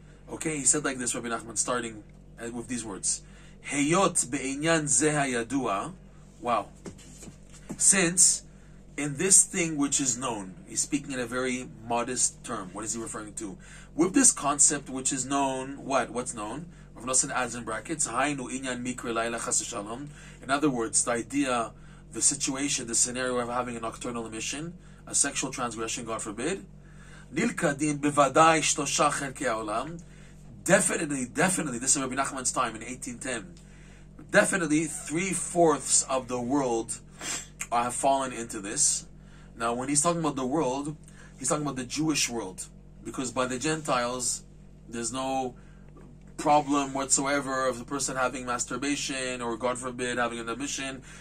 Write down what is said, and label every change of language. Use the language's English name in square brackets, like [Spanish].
[English] Okay, he said like this, Rabbi Nachman, starting with these words. [Hebrew] היות בעניין זה הידוע, [English] wow, since in this thing which is known, he's speaking in a very modest term, what is he referring to? With this concept which is known, what? What's known? Reb Noson adds in brackets, [Hebrew] היינו עניין מקרה לילה חס ושלום. [English] In other words, the idea, the situation, the scenario of having a nocturnal emission, a sexual transgression, God forbid. [Hebrew] נלכדים בוודאי שלושה חלקי העולם. [English] Definitely, this is Rabbi Nachman's time in 1810. Definitely, 3/4 of the world have fallen into this. Now, when he's talking about the world, he's talking about the Jewish world. Because by the Gentiles, there's no problem whatsoever of the person having masturbation or, God forbid, having an emission.